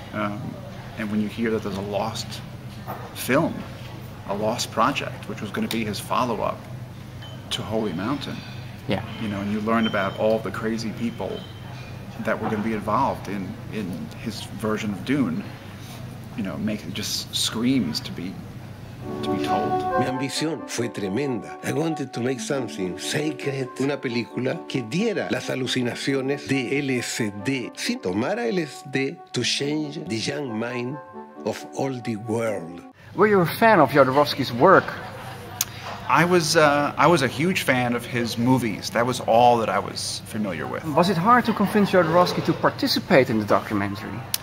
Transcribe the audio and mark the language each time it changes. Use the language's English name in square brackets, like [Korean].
[English] And when you hear that there's a lost film, a lost project, which was going to be his follow-up to Holy Mountain. Yeah. You know, and you learn about all the crazy people that were going to be involved in his version of Dune, you know, making just screams to be told. [Spanish] Mi ambición fue tremenda. [English] I wanted to make something sacred, [Spanish] una película que diera las alucinaciones de LSD. Si tomara [English] LSD to change the young mind of all the world. Were you a fan of Jodorowsky's work? I was a huge fan of his movies. That was all that I was familiar with. Was it hard to convince Jodorowsky to participate in the documentary?